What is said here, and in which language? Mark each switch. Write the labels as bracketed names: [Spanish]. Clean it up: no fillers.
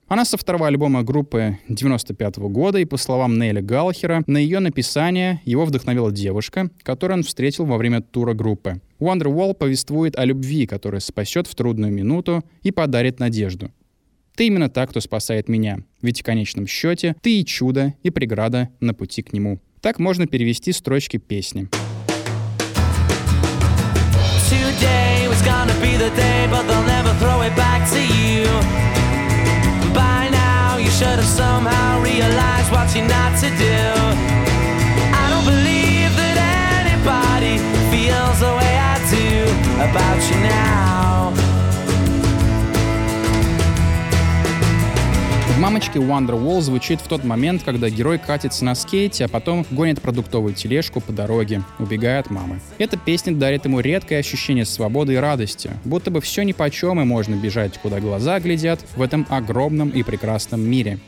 [Russian] Она со второго альбома группы 95-го года, и, по словам Нейля Галлахера, на ее написание его вдохновила девушка, которую он встретил во время тура группы. «Wonderwall» повествует о любви, которая спасет в трудную минуту и подарит надежду. «Ты именно та, кто спасает меня, ведь в конечном счете ты и чудо, и преграда на пути к нему». Так можно перевести строчки песни. [English] Today was gonna be the day, but they'll never throw it back to you. By now you should have somehow realized what you're not to do. I don't believe that anybody feels the way I do about you now. [Russian] Мамочки Wonderwall звучит в тот момент, когда герой катится на скейте, а потом гонит продуктовую тележку по дороге, убегая от мамы. Эта песня дарит ему редкое ощущение свободы и радости, будто бы все нипочем и можно бежать, куда глаза глядят, в этом огромном и прекрасном мире.